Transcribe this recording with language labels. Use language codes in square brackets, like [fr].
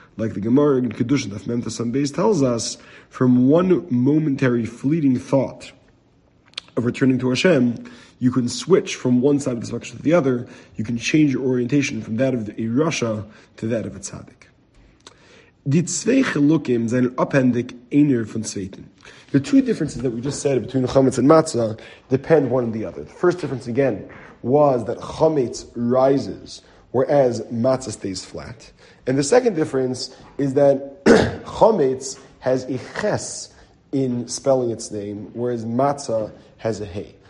[en] Like the Gemara in Kedushin of Memphis on Beis tells us, from one momentary fleeting thought of returning to Hashem, you can switch from one side of the spectrum to the other. You can change your orientation from that of a rasha to that of a tzaddik. [yi] Die zwei chelukim sind abhändig einer von zweiten. [en] The two differences that we just said between chametz and matzah depend one on the other. The first difference, again, was that chametz rises, whereas matzah stays flat. And the second difference is that chametz has a ches in spelling its name, whereas matzah has a hey.